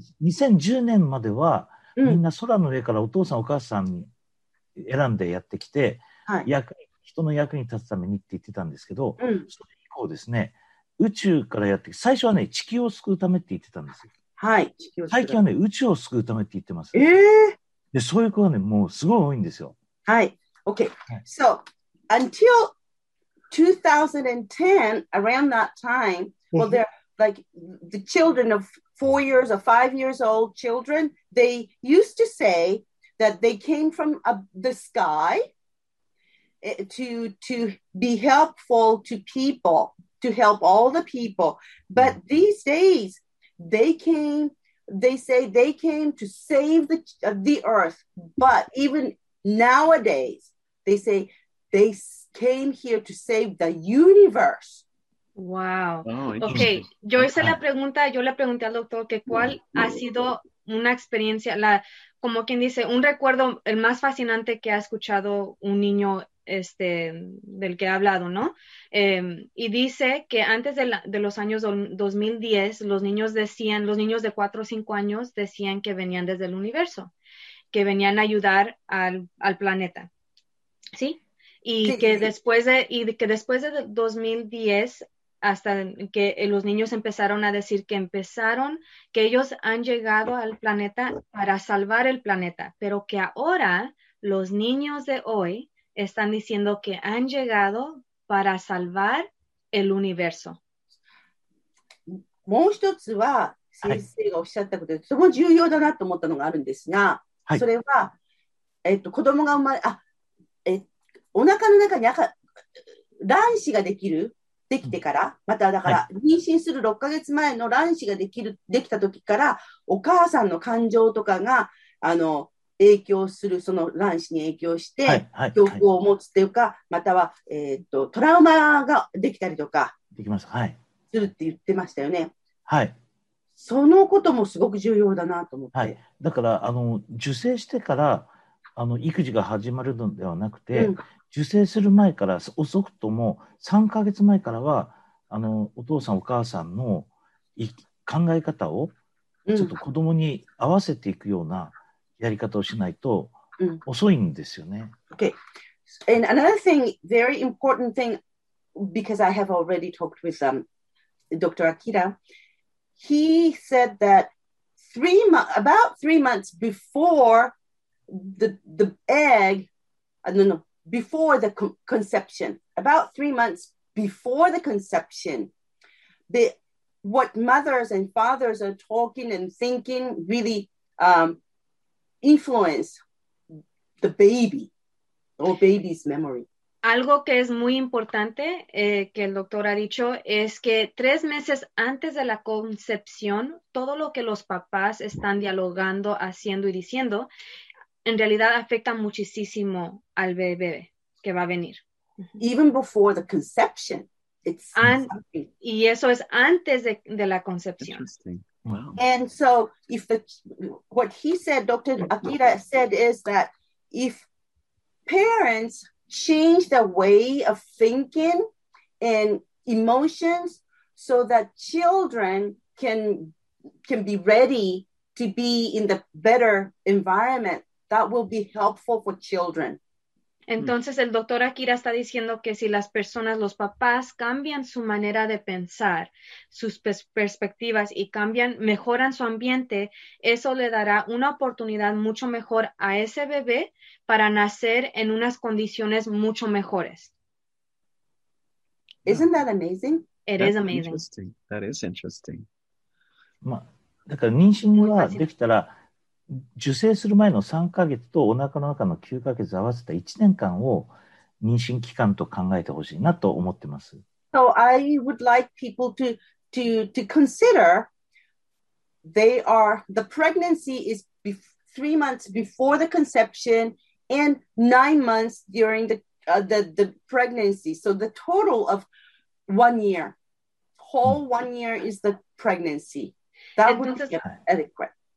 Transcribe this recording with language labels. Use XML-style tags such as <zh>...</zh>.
<ja>2010年まではみんな空の上からお父さんお母さんに選んでやってきて、うん、人の役に立つためにって言ってたんですけど、うん、それ以降ですね、宇宙からやってきて、最初はね、地球を救うためって言ってたんですよ。はい、最近はね、宇宙を救うためって言ってます。で、そういう子はね、もうすごい多いんですよ。はい、OK、はい。</ja> <en>So, until 2010, around that time, well, they're like the children of 4 years or 5 years old children, they used to say that they came from the sky to be helpful to people, to help all the people. But these days,They say they came to save the earth. But even nowadays, they say they came here to save the universe. Wow. Oh, okay.</en> <es>Yo hice la pregunta, yo le pregunté al doctor que cuál ha sido una experiencia, la, como quien dice, un recuerdo el más fascinante que ha escuchado un niño este, del que ha hablado, ¿no? Y dice que antes de, de los años 2010, los niños decían, los niños de 4 o 5 años decían que venían desde el universo, que venían a ayudar al planeta, ¿sí? Y que después de, 2010, hasta que los niños empezaron a decir que empezaron, que ellos han llegado al planeta para salvar el planeta, pero que ahora los niños de hoy están diciendo que han llegado para salvar el universo.</es> <ja>もう一つは先生がおっしゃったことで、はい、とても重要だなと思ったのがあるんですが、はい、それは、子供が生まれ、お腹の中に赤卵子ができる、できてから、うん、まただから、はい、妊娠する6ヶ月前の卵子ができる、できた時からお母さんの感情とかが影響するその卵子に影響して記憶を持つというか、はいはいはい、またはトラウマができたりとかできます、はい、するって言ってましたよね、はい、そのこともすごく重要だなと思って、はい、だから受精してから育児が始まるのではなくて、うん、受精する前から遅くとも3ヶ月前からはお父さんお母さんの考え方をちょっと子供に合わせていくような、うんやり方をしないと遅いんですよね。</ja> <en>Okay. And another thing, very important thing, because I have already talked with Dr. Akira, he said that about three months before the egg, no, before the conception, about 3 months before the conception, what mothers and fathers are talking and thinking really, influence the baby or baby's memory.</en> <es>Algo que es muy importante que el doctor ha dicho es que 3 meses antes de la concepción, todo lo que los papás están dialogando, haciendo y diciendo, en realidad afecta muchísimo al bebé que va a venir.</es> <en>Even before the conception, it's</en> <es>y eso es antes de la concepción.</es> <en>Wow. And so if what he said, Dr. Akira said, is that if parents change the way of thinking and emotions so that children can be ready to be in the better environment, that will be helpful for children.</en> <es>Entonces el doctor Akira está diciendo que si las personas, los papás, cambian su manera de pensar, sus perspectivas y cambian, mejoran su ambiente, eso le dará una oportunidad mucho mejor a ese bebé para nacer en unas condiciones mucho mejores.</es> <en>Isn't that amazing? That is interesting.</en> <ja>まあ、だから妊娠ができたら、受精する前の3ヶ月とお腹の中の9ヶ月合わせた1年間を妊娠期間と考えてほしいなと思ってます。</ja> <en>So I would like people to consider they are, the pregnancy is 3 months before the conception and 9 months during the pregnancy. So the total of 1 year, whole 1 year is the pregnancy. That would be adequate.</en>